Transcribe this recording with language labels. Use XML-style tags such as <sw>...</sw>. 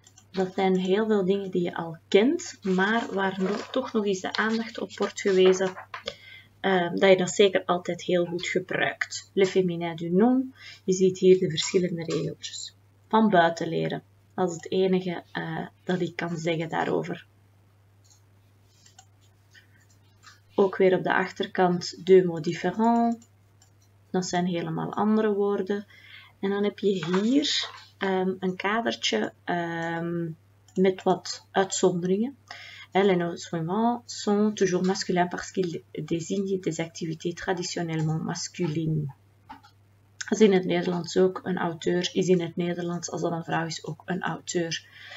<nl>Dat zijn heel veel dingen die je al kent, maar waar toch nog eens de aandacht op wordt gewezen, dat je dat zeker altijd heel goed gebruikt.</nl> <fr>Le féminin du nom,</fr> <nl>je ziet hier de verschillende regeltjes. Van buiten leren, dat is het enige dat ik kan zeggen daarover. Ook weer op de achterkant,</nl> <fr>deux mots différents.</fr> <nl>Dat zijn helemaal andere woorden. En dan heb je hier een kadertje met wat uitzonderingen.</nl> <fr>Les noms suivants sont toujours masculins parce qu'ils désignent des activités traditionnellement masculines.</fr> <nl>Dat is in het Nederlands ook een auteur, is in het Nederlands, als dat een vrouw is, ook een auteur.</nl>